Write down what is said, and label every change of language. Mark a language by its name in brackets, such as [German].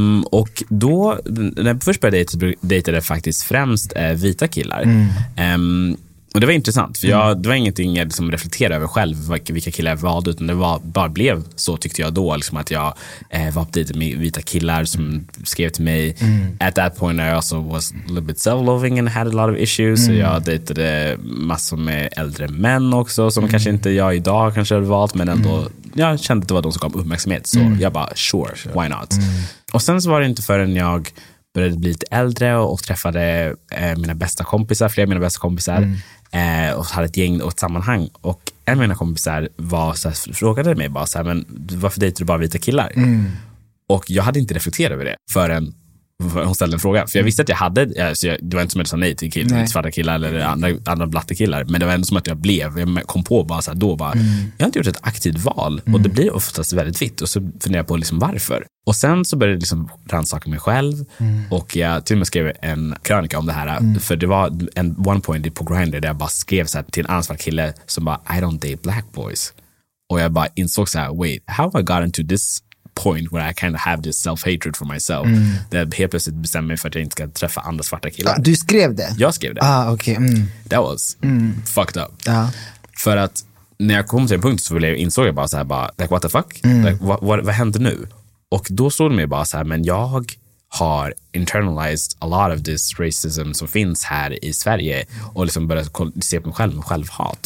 [Swedish] Och då, när jag först började dejta, det faktiskt främst vita killar. Mm. Och det var intressant, för jag, det var ingenting jag liksom reflekterade över själv, vilka killar jag valde, utan det var, bara blev så, tyckte jag då, liksom att jag var på med vita killar som skrev till mig. Mm. [English] At that point I also was a little bit self-loving and had a lot of issues. [Swedish] Mm. Så jag dejtade massor med äldre män också, som kanske inte jag idag kanske hade valt, men ändå jag kände att det var de som gav uppmärksamhet. Så jag bara, [English] sure, why not? Mm. [Swedish] Och sen så var det inte förrän jag började bli lite äldre och träffade mina bästa kompisar, flera av mina bästa kompisar, och hade ett gäng och ett sammanhang. Och en av mina kompisar var så här, frågade mig bara så här, men varför dejter du bara vita killar? Mm. Och jag hade inte reflekterat över det förrän hon ställde en fråga. För jag visste att jag hade, alltså jag, det var inte som att jag sa nej till kill, nej, svarta killar eller andra blatte killar. Men det var ändå som att jag kom på bara så här, då bara, jag har inte gjort ett aktivt val. Mm. Och det blir oftast väldigt vitt. Och så funderar jag på liksom varför. Och sen så började jag liksom rannsaka mig själv. Mm. Och jag till och med skrev en krönika om det här. Mm. För det var en [English] one point [Swedish] på Grindr där jag bara skrev så här till en annan svart kille som bara, [English] I don't date black boys. [Swedish] Och jag bara insåg så här, [English] wait, how have I gotten to this point where I kind of have this self-hatred for myself. Mm. [Swedish] Där helt plötsligt bestämde mig för att jag inte ska träffa andra svarta killar. Du skrev det? Jag skrev det. Ah, okay. Mm. [English] That was fucked up. Ah. [Swedish] För att när jag kom till en punkt så insåg jag bara så här, bara, [English] like what the fuck? Mm. [Swedish] Like, vad händer nu? Och då stod det mig bara så här, men jag har [English] internalized a lot of this racism [Swedish] som finns här i Sverige och liksom börjat se på mig själv med självhat.